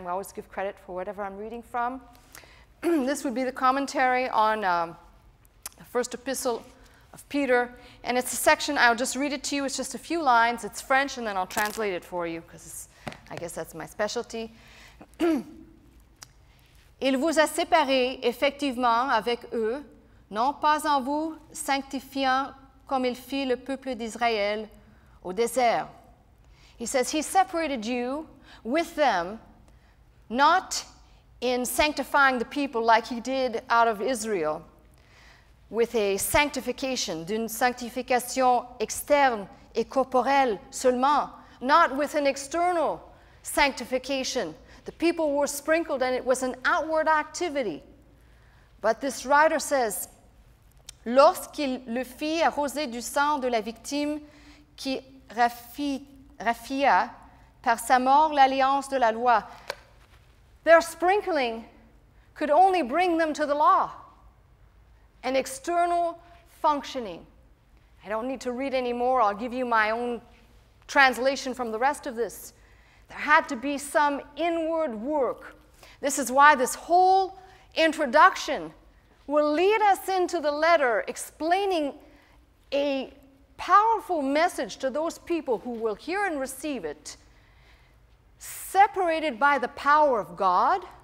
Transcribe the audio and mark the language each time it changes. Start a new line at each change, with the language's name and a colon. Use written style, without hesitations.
English: We always give credit for whatever I'm reading from. This would be the commentary on the first epistle of Peter, and it's a section, I'll just read it to you, it's just a few lines, it's French, and then I'll translate it for you, because I guess that's my specialty.
French: Il vous a séparé effectivement avec eux, non pas en vous sanctifiant comme il fit le peuple d'Israël au désert.
English: He says, he separated you with them, not in sanctifying the people like he did out of Israel, with a sanctification,
French: d'une sanctification externe et corporelle seulement,
English: not with an external sanctification. The people were sprinkled and it was an outward activity. But this writer says,
French: Lorsqu'il le fit arroser du sang de la victime qui raffia par sa mort l'alliance de la loi.
English: Their sprinkling could only bring them to the law. An external functioning. I don't need to read any more. I'll give you my own translation from the rest of this. There had to be some inward work. This is why this whole introduction will lead us into the letter explaining a powerful message to those people who will hear and receive it, separated by the power of God,